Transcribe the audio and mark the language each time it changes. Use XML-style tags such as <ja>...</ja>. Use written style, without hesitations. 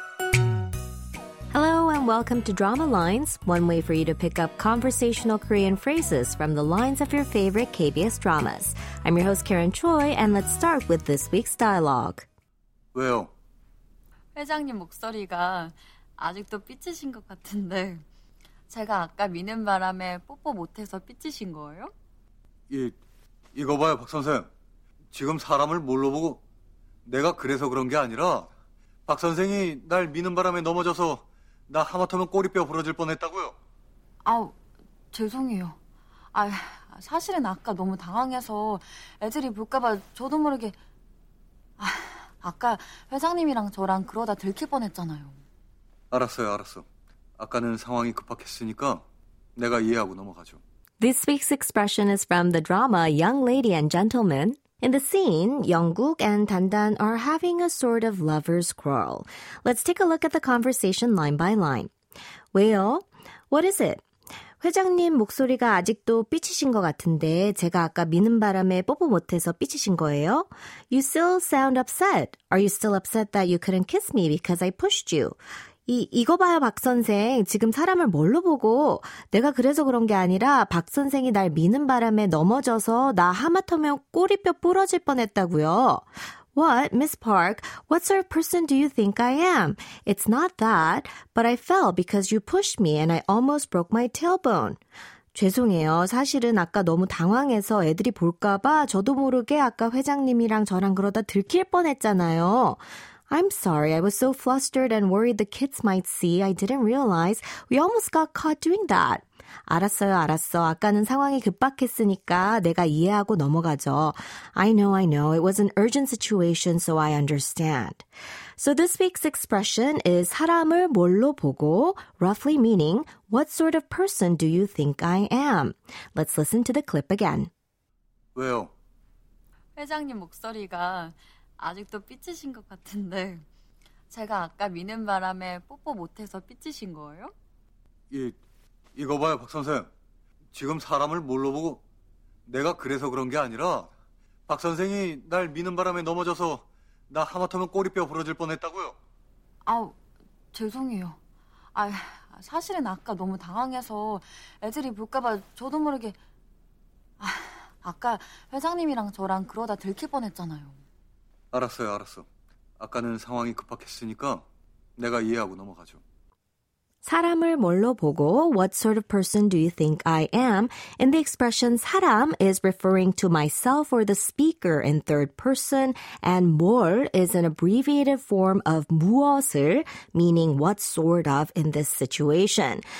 <en>and welcome to Drama Lines, one way for you to pick up conversational Korean phrases from the lines of your favorite KBS dramas. I'm your host Karen Choi, and let's start with this week's dialogue.</en> <ko>왜요? 회장님 목소리가 아직도 삐치신 것 같은데 제가 아까 미는 바람에 뽀뽀 못해서 삐치신 거예요? 예, 이거 봐요 박 선생. 지금 사람을 뭘로 보고 내가 그래서 그런 게 아니라 박 선생이 날 미는 바람에 넘어져서 나 하마터면 꼬리뼈 부러질 뻔했다고요. 아우, 죄송해요. 아, 사실은 아까 너무 당황해서 애들이 볼까봐 저도 모르게 아, 아까 회장님이랑 저랑 그러다 들킬 뻔했잖아요. 알았어요, 알았어. 아까는 상황이 급박했으니까 내가 이해하고 넘어가죠.</ko> <en>This week's expression is from the drama Young Lady and Gentleman. In the scene, Young-guk and Dan-dan are having a sort of lover's quarrel. Let's take a look at the conversation line by line.</en> <ko>왜요?</ko> <en>What is it?</en> <ko>회장님 목소리가 아직도 삐치신 것 같은데 제가 아까 미는 바람에 뽀뽀 못해서 삐치신 거예요?</ko> <en>You still sound upset. Are you still upset that you couldn't kiss me because I pushed you?</en> <ko>이거 봐요, 박 선생. 지금 사람을 뭘로 보고 내가 그래서 그런 게 아니라 박 선생이 날 미는 바람에 넘어져서 나 하마터면 꼬리뼈 부러질 뻔했다고요.</ko> <en>What, Miss Park? What sort of person do you think I am? It's not that, but I fell because you pushed me and I almost broke my tailbone.</en> <ko>죄송해요. 사실은 아까 너무 당황해서 애들이 볼까 봐 저도 모르게 아까 회장님이랑 저랑 그러다 들킬 뻔했잖아요.</ko> <en>I'm sorry. I was so flustered and worried the kids might see. I didn't realize we almost got caught doing that.</en> <ko>알았어요, 알았어. 아까는 상황이 급박했으니까 내가 이해하고 넘어가죠.</ko> <en>I know, I know. It was an urgent situation, so I understand. So this week's expression is</en> <ko>사람을 뭘로 보고,</ko> <en>roughly meaning, what sort of person do you think I am? Let's listen to the clip again.</en> <ko>왜요? 회장님 목소리가 아직도 삐치신 것 같은데 제가 아까 미는 바람에 뽀뽀 못해서 삐치신 거예요? 예, 이거 봐요 박 선생. 지금 사람을 뭘로 보고 내가 그래서 그런 게 아니라 박 선생이 날 미는 바람에 넘어져서 나 하마터면 꼬리뼈 부러질 뻔했다고요. 아우, 죄송해요. 아, 사실은 아까 너무 당황해서 애들이 볼까 봐 저도 모르게 아, 아까 회장님이랑 저랑 그러다 들킬 뻔했잖아요. 알았어요, 알았어. 아까는 상황이 급박했으니까 내가 이해하고 넘어가죠. 사람을 뭘로 보고,</ko> <en>what sort of person do you think I am? And the expression 사람 is referring to myself or the speaker in third person, and 뭘 is an abbreviated form of 무엇을, meaning what sort of in this situation.</en>